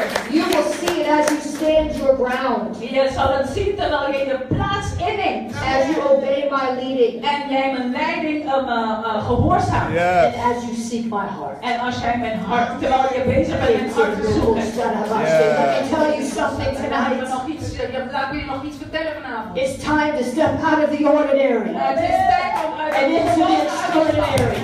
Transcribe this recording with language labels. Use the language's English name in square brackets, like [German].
[English] You will see it as you stand your ground. [Dutch] Je zal het zien terwijl je de plaats inneemt. [English] As you obey my leading, [Dutch] en jij mijn leiding gehoorzaam. [English] Yes. And as you seek my heart, [Dutch] en als jij mijn hart, terwijl je bezig bent met hart te zoeken. [English] It's time to step out of the ordinary and into the extraordinary.